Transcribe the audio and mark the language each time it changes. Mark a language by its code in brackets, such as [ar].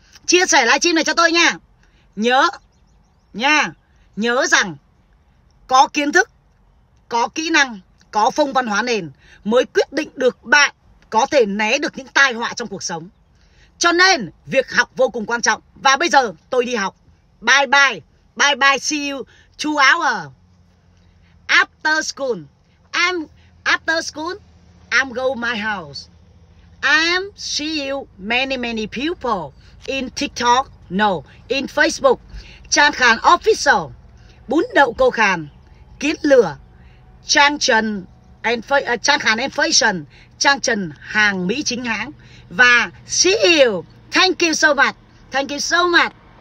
[vi] Chia sẻ livestream này cho tôi nha. Nhớ nha. Nhớ rằng có kiến thức, có kỹ năng, có phong văn hóa nền mới quyết định được bạn có thể né được những tai họa trong cuộc sống. Cho nên việc học vô cùng quan trọng. Và bây giờ tôi đi học. Bye bye. [en] Bye bye, see you 2 hours after school. I'm after school, I'm go my house. I'm see you many many people in TikTok, no, in Facebook. [vi] Trang Khàn official, bún đậu cô Khàn, kiến lửa, Trang Trần and Trang Khàn and Fashion, Trang Trần hàng Mỹ chính hãng. [en] Và see you, thank you so much, thank you so much.